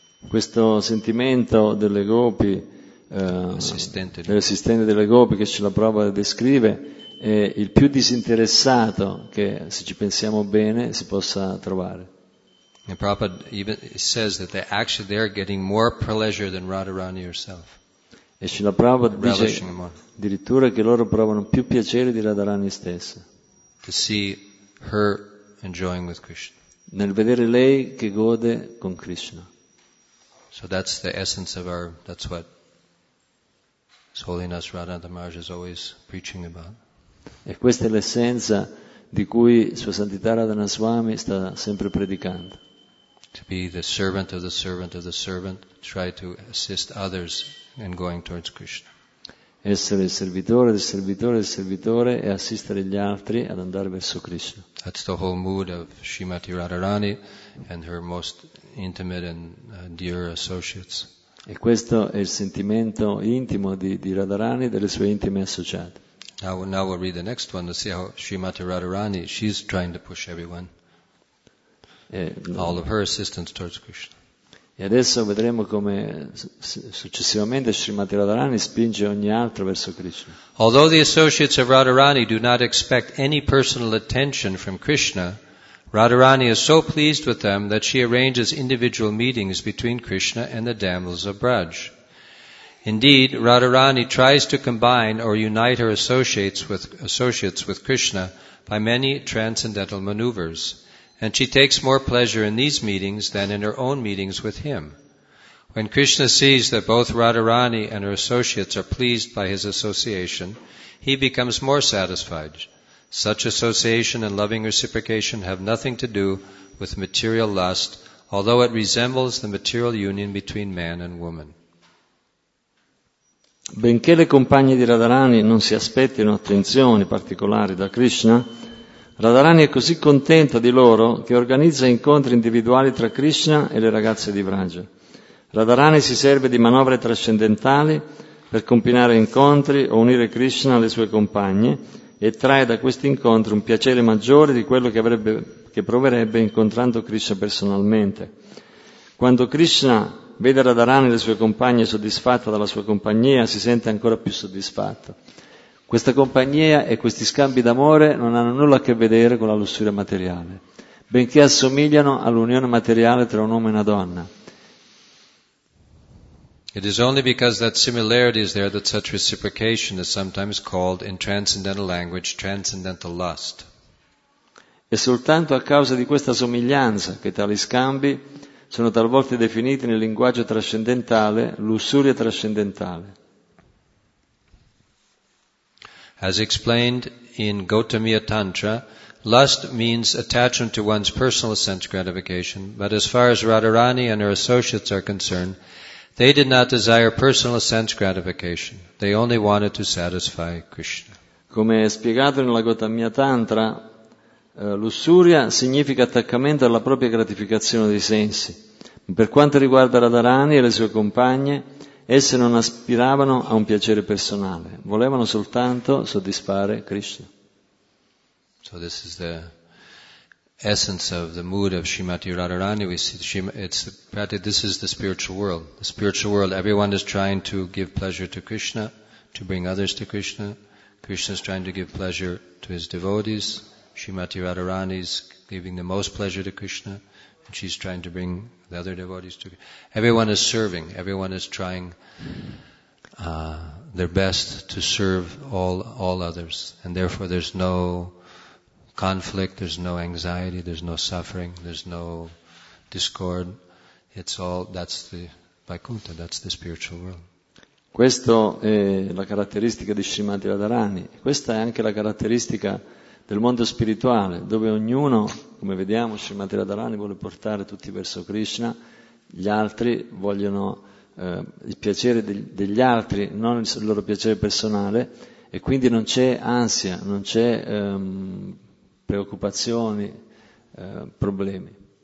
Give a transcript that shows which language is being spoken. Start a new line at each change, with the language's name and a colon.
Italian: Questo sentimento delle gopi, dell'assistente delle gopi che ce la Prabhupada descrive, è il più disinteressato che, se ci pensiamo bene, si possa trovare.
English: And Prabhupada even says that they actually they're getting more pleasure than Radharani herself.
Italian: E Srila Prabhupada dice addirittura che loro provano più piacere di Radharani stessa.
English: To see her enjoying with Krishna.
Italian: nel vedere lei che gode con Krishna.
English: So that's the essence of our, that's what His Holiness Radhanatha Maharaj is always preaching about.
Italian: E questa è l'essenza di cui Sua Santità Radhana Swami sta sempre predicando.
English: To be the servant of the servant of the servant, try to assist others in going towards Krishna.
Italian: Essere il servitore del servitore del servitore e assistere gli altri ad andare verso Krishna.
English: That's the whole mood of Srimati Radharani and her most intimate and dear associates.
Italian: E questo è il sentimento intimo di Radharani e delle sue intime associate.
English: Now we'll read the next one to see how Srimati Radharani, she's trying to push everyone, all of her assistants towards Krishna.
Italian: E adesso vedremo come successivamente Srimati Radharani spinge ogni altro verso Krishna.
English: Although the associates of Radharani do not expect any personal attention from Krishna, Radharani is so pleased with them that she arranges individual meetings between Krishna and the damsels of Braj. Indeed, Radharani tries to combine or unite her associates with Krishna by many transcendental maneuvers, and she takes more pleasure in these meetings than in her own meetings with him. When Krishna sees that both Radharani and her associates are pleased by his association, he becomes more satisfied. Such association and loving reciprocation have nothing to do with material lust, although it resembles the material union between man and woman.
Italian: Benché le compagne di Radharani non si aspettino attenzioni particolari da Krishna, Radharani è così contenta di loro che organizza incontri individuali tra Krishna e le ragazze di Vraja. Radharani si serve di manovre trascendentali per combinare incontri o unire Krishna alle sue compagne e trae da questi incontri un piacere maggiore di quello che proverebbe incontrando Krishna personalmente. Quando Krishna vede Radharani e le sue compagne soddisfatta dalla sua compagnia, si sente ancora più soddisfatto. Questa compagnia e questi scambi d'amore non hanno nulla a che vedere con la lussuria materiale, benché assomigliano all'unione materiale tra un uomo e una donna.
English: It is only because that similarity is there that such reciprocation is sometimes called in transcendental language transcendental lust.
Italian: È soltanto a causa di questa somiglianza che tali scambi sono talvolta definiti nel linguaggio trascendentale lussuria trascendentale.
English: As explained in Gautamiya Tantra, lust means attachment to one's personal sense gratification, but as far as Radharani and her associates are concerned, they did not desire personal sense gratification. They only wanted to satisfy Krishna.
Italian: Come è spiegato nella Gautamiya Tantra, lussuria significa attaccamento alla propria gratificazione dei sensi. Per quanto riguarda Radharani e le sue compagne, esse non aspiravano a un piacere personale, volevano soltanto soddisfare Krishna.
English: So this is the essence of the mood of Srimati Radharani. We see this is the spiritual world. The spiritual world, everyone is trying to give pleasure to Krishna, to bring others to Krishna. Krishna is trying to give pleasure to his devotees. Srimati Radharani is giving the most pleasure to Krishna. She's trying to bring the other devotees to everyone is serving, everyone is trying their best to serve all others, and therefore there's no conflict, there's no anxiety, there's no suffering, there's no discord. It's all that's the Vaikuntha, that's the spiritual world.
Italian: Questo è la caratteristica di Srimati Radharani, questa è anche la caratteristica del mondo spirituale, dove ognuno, come vediamo, Srimati Radharani vuole portare tutti verso Krishna, gli altri vogliono il piacere degli altri, non il loro piacere personale, e quindi non c'è ansia, non c'è preoccupazioni, problemi.